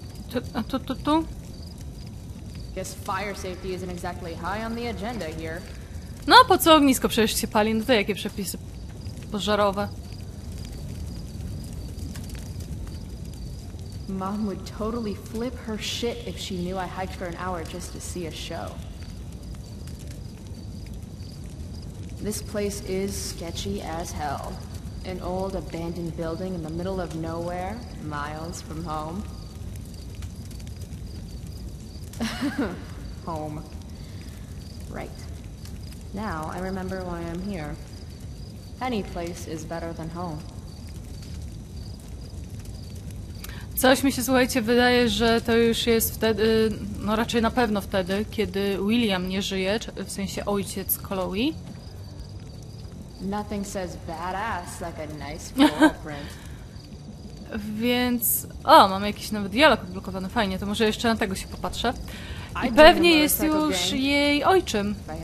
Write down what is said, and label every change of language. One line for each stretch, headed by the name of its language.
English: Tu. Guess fire safety isn't exactly high on the agenda here.
Polish: No, po co ognisko przecież się pali? No to jakie przepisy pożarowe?
English: Mom would totally flip her shit if she knew I hiked for an hour just to see a show. This place is sketchy as hell. An old abandoned building in the middle of nowhere, miles from home. Home. Right. Now I remember why I'm here. Any place is better than home.
Polish: Coś mi się, słuchajcie, wydaje, że to już jest wtedy, no raczej na pewno wtedy, kiedy William nie żyje, w sensie ojciec Chloe.
English: Nothing says badass like a nice print.
Polish: Więc... O, mam jakiś nowy dialog odblokowany, fajnie, to może jeszcze na tego się popatrzę. I pewnie jest już jej ojczym.